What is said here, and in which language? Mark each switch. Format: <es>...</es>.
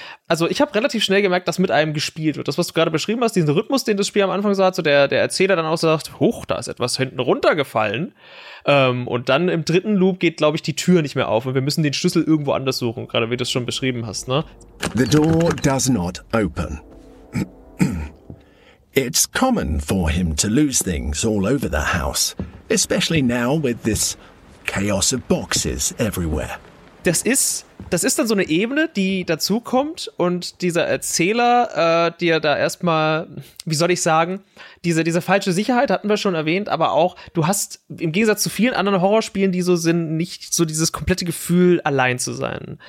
<de>Also ich habe relativ schnell gemerkt, dass mit einem gespielt wird. Das, was du gerade beschrieben hast, diesen Rhythmus, den das Spiel am Anfang so hat, so der Erzähler dann auch sagt, hoch, da ist etwas hinten runtergefallen. Und dann im dritten Loop geht, glaube ich, die Tür nicht mehr auf und wir müssen den Schlüssel irgendwo anders suchen, gerade wie du es schon beschrieben hast, ne?</de> <en>The door does not open. It's common for him to lose things all over the house, especially now with this chaos of boxes everywhere.</en> <de>Das ist dann so eine Ebene, die dazukommt und dieser Erzähler, die er da erstmal, wie soll ich sagen, diese falsche Sicherheit hatten wir schon erwähnt, aber auch, du hast im Gegensatz zu vielen anderen Horrorspielen, die so sind, nicht so dieses komplette Gefühl, allein zu sein.</de>